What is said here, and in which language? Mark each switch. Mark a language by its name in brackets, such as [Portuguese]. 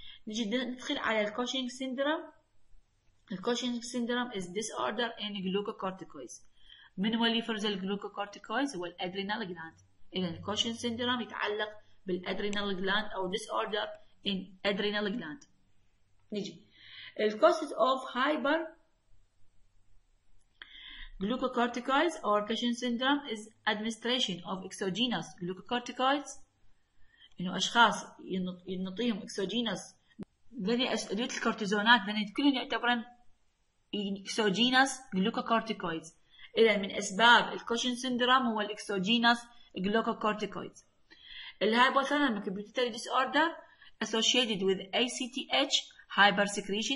[Arabic] نجي ندخل على الكوشن سيندروم. الكوشن سيندروم [English] Is disorder in glucocorticoids. [Arabic] من هو اللي يفرز الجلوكوكورتيكويز؟ هو الادرينال جلاند. إذا الكوشن سيندروم يتعلق بالأدرينال جلاند أو [English] disorder in adrenal gland. نجي causes of hyper glucocorticoids or Cushing syndrome is administration of exogenous glucocorticoids. [Arabic] إنه أشخاص ينطيهم exogenous ذني أدوية الكورتيزونات ذني كلهم يعتبرن exogenous glucocorticoids. إذا من أسباب الكوشن سيندروم هو الإكسوجينوس glucocorticoids. [English] الهايبوثالامك pituitary disorder associated with A C T H hyper secretion.